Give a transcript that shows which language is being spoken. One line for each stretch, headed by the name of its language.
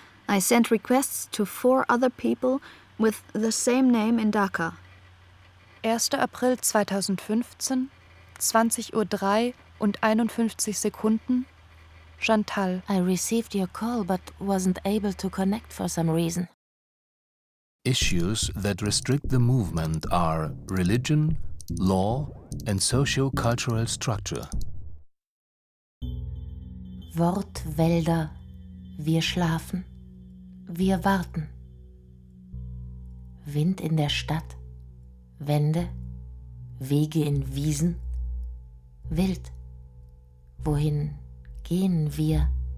English: I sent requests to 4 other people with the same name in Dhaka.
German: 1. April 2015, 20.03 Uhr und 51 Sekunden, Chantal.
English: I received your call but wasn't able to connect for some reason. Issues that restrict the movement are religion, law and socio-cultural structure.
German: Wortwälder. Wir schlafen, wir warten. Wind in der Stadt, Wände, Wege in Wiesen, wild. Wohin gehen wir?